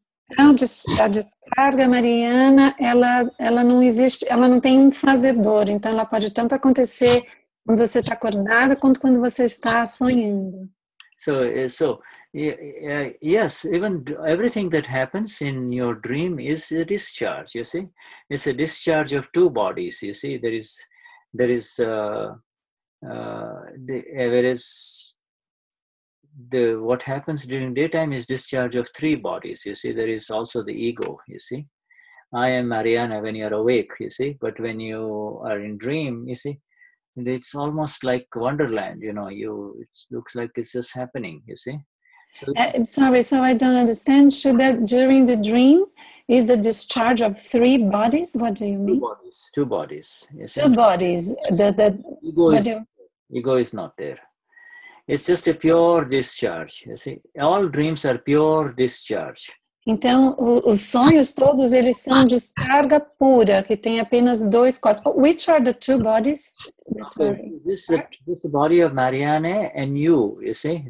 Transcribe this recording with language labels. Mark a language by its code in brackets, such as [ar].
[pt] então, a descarga mariana, ela não existe, ela não tem um fazedor. Então, ela pode tanto acontecer quando você está acordado quanto quando você está sonhando. [en] So yes, even everything that happens in your dream is a discharge, you see? It's a discharge of two bodies, you see? What happens during daytime is discharge of three bodies, you see? There is also the ego, you see? I am Mariana when you're awake, you see? But when you are in dream, you see? It's almost like Wonderland, you know, it looks like it's just happening, you see? Sorry, so I don't understand. Should that during the dream is the discharge of three bodies? What do you mean? Two bodies. Yes. Two bodies. Ego is not there. It's just a pure discharge. You see, all dreams are pure discharge. [pt] Então, os sonhos todos, eles são descarga pura, que tem apenas dois corpos. [en] Which are the two bodies? This is the body of Marianne and you see?